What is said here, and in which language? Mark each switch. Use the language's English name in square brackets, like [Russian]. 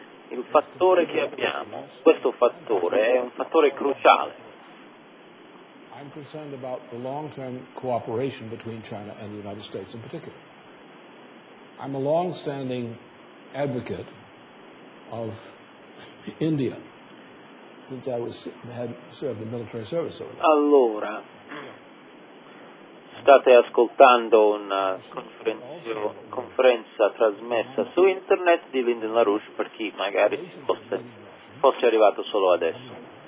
[Italian] Il fattore che abbiamo, questo fattore è un fattore cruciale. [English] I'm concerned about the long-term cooperation between China and the United States in particular. I'm a long-standing advocate of India since I was had served in military service over there. [Italian] Allora, state ascoltando una conferenza trasmessa su internet di Lyndon LaRouche per chi magari fosse arrivato solo adesso.